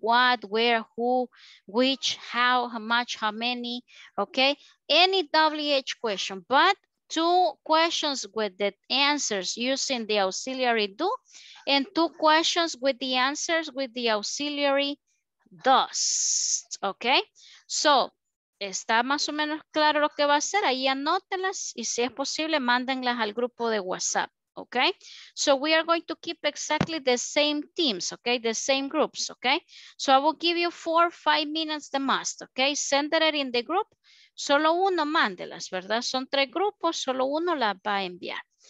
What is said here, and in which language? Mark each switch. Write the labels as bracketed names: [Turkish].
[English] What, where, who, which, how much, how many, okay? Any WH question, but two questions with the answers using the auxiliary do and two questions with the answers with the auxiliary does, okay? [Spanish] So, está más o menos claro lo que va a hacer. Ahí anótenlas y si es posible, mándenlas al grupo de WhatsApp, okay? [English] So, we are going to keep exactly the same teams, okay? The same groups, okay? So, I will give you 4 or 5 minutes the most, okay? Send it in the group. [Spanish] Solo uno mándelas, ¿verdad? Son tres grupos, solo uno las va a enviar.